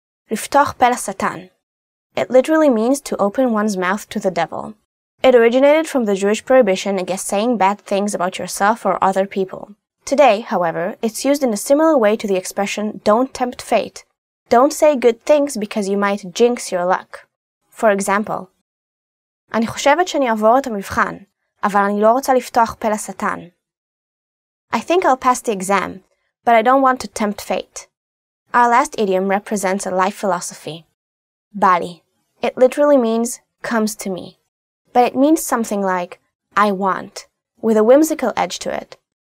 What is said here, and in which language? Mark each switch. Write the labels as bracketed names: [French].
[English] Riftoch pel satan. It literally means to open one's mouth to the devil. It originated from the Jewish prohibition against saying bad things about yourself or other people. Today, however, it's used in a similar way to the expression don't tempt fate. Don't say good things because you might jinx your luck. For example, [Hebrew] אני חושבת שאני אעבור את המבחן, אבל אני לא רוצה לפתוח פה לשטן. [English] I think I'll pass the exam, but I don't want to tempt fate. Our last idiom represents a life philosophy. Bali. It literally means comes to me. But it means something like I want, with a whimsical edge to it.